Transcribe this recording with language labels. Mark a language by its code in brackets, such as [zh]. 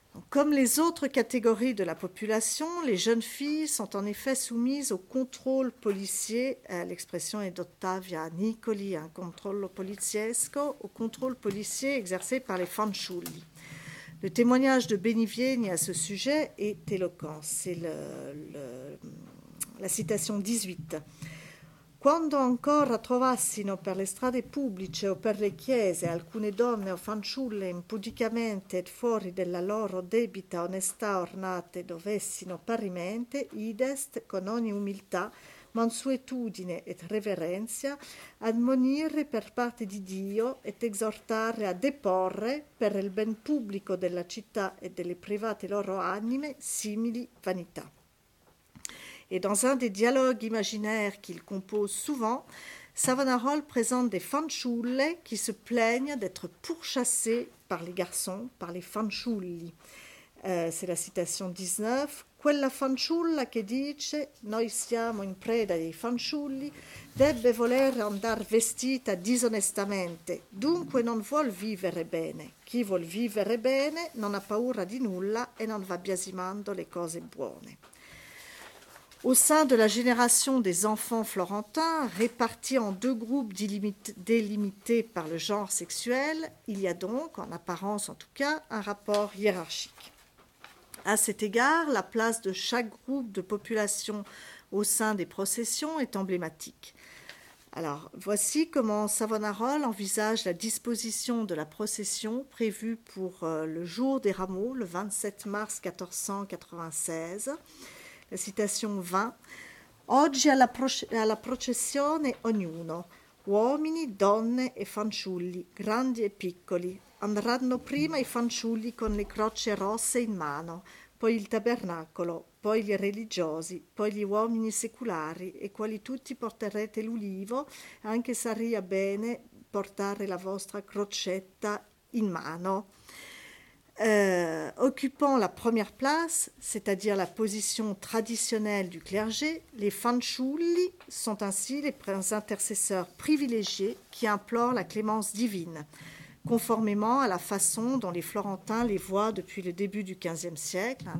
[fr] Comme les autres catégories de la population, les jeunes filles sont en effet soumises au contrôle policier, l'expression est d'Ottavia Nicoli, [it] un controllo poliziesco, [fr] au contrôle policier exercé par les fanciulli. Le témoignage de Bénivier à ce sujet est éloquent. C'est la citation 18. [it] Quando ancora trovassino per le strade pubbliche o per le chiese alcune donne o fanciulle impudicamente et fuori della loro debita onestà ornate dovessino parimente, idest con ogni umiltà, mansuetudine et reverenzia, admonire per parte di Dio et exhortare a deporre per il ben pubblico della città e delle private loro anime simili vanità. [fr] Et dans un des dialogues imaginaires qu'il compose souvent, Savonarole présente des fanciulle qui se plaignent d'être pourchassées par les garçons, par les fanciulli. C'est la citation 19. [it] Quella fanciulla che dice noi siamo in preda dei fanciulli debbe voler andar vestita disonestamente, dunque non vuol vivere bene. Chi vuol vivere bene non ha paura di nulla e non va biasimando le cose buone. [fr] Au sein de la génération des enfants florentins, répartis en deux groupes délimités par le genre sexuel, il y a donc, en apparence en tout cas, un rapport hiérarchique. À cet égard, la place de chaque groupe de population au sein des processions est emblématique. Alors, voici comment Savonarole envisage la disposition de la procession prévue pour le jour des rameaux, le 27 mars 1496. La citation 20. [it] Oggi alla processione ognuno, uomini, donne e fanciulli, grandi e piccoli, andranno prima i fanciulli con le croce rosse in mano, poi il tabernacolo, poi gli religiosi, poi gli uomini seculari, e quali tutti porterete l'ulivo, anche sarà bene portare la vostra crocetta in mano. [fr] Occupant la première place, c'est-à-dire la position traditionnelle du clergé, les fanciulli sont ainsi les intercesseurs privilégiés qui implorent la clémence divine, conformément à la façon dont les Florentins les voient depuis le début du XVe siècle.